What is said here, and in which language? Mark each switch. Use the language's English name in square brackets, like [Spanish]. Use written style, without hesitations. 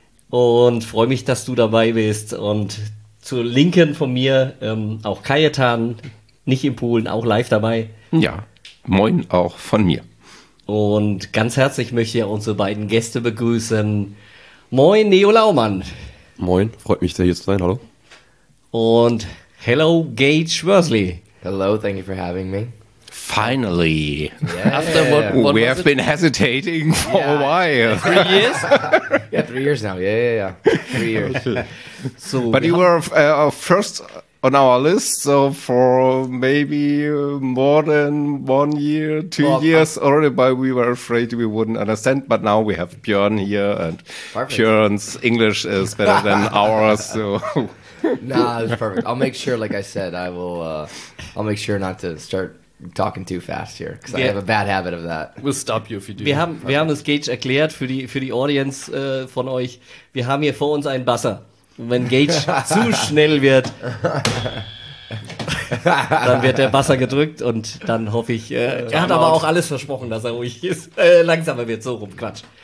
[German] Und freue mich, dass du dabei bist. Und zur Linken von mir auch Kajetan, nicht in Polen, auch live dabei. Ja, moin auch von mir. Und ganz herzlich möchte ich unsere beiden Gäste begrüßen. Moin, Neo Laumann. Moin, freut mich sehr, hier zu sein, hallo. Und hello, Gage Worsley. [English] Hello, thank you for having me. Finally. Yeah. After what we have been hesitating for a while. 3 years? Yeah, 3 years now. Yeah. 3 years. So, but you were first on our list, so for maybe more than 1 year, two years already, but we were afraid we wouldn't understand. But now we have Björn here, and perfect. Björn's English is better than ours, so... Nah, it's perfect. I'll make sure, like I said, I will. I'll make sure not to start talking too fast here, because I have a bad habit of that. We'll stop you if you do. [German] Wir haben das Gage erklärt für die Audience von euch. Wir haben hier vor uns einen Buzzer. Wenn Gage zu schnell wird, dann wird der Buzzer gedrückt und dann hoffe ich. Er hat aber auch alles versprochen, dass er ruhig ist. Langsamer wird, so rum, Quatsch.